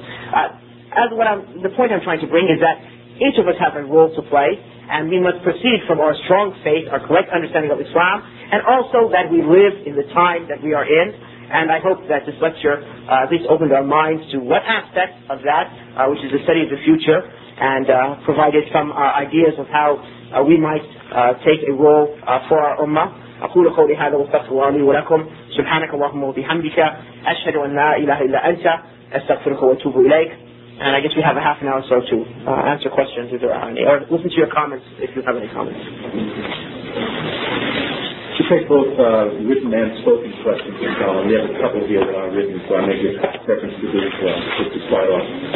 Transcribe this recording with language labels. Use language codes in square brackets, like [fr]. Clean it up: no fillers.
[en] The point I'm trying to bring is that each of us have a role to play, and we must proceed from our strong faith, our correct understanding of Islam, and also that we live in the time that we are in. And I hope that this lecture at least opened our minds to what aspect of that, which is the study of the future, and provided some ideas of how we might take a role for our ummah. [ar] أقول قولي هذا واستغفر الله لي ولكم سبحانك اللهم وبحمدك أشهد أن لا إله إلا أنت أستغفرك وأتوب إليك. [en] And I guess we have a half an hour or so to answer questions if there are any, or listen to your comments if you have any comments. To take both written and spoken questions, we have a couple here that are written, so I may get reference to this as well, just to slide off.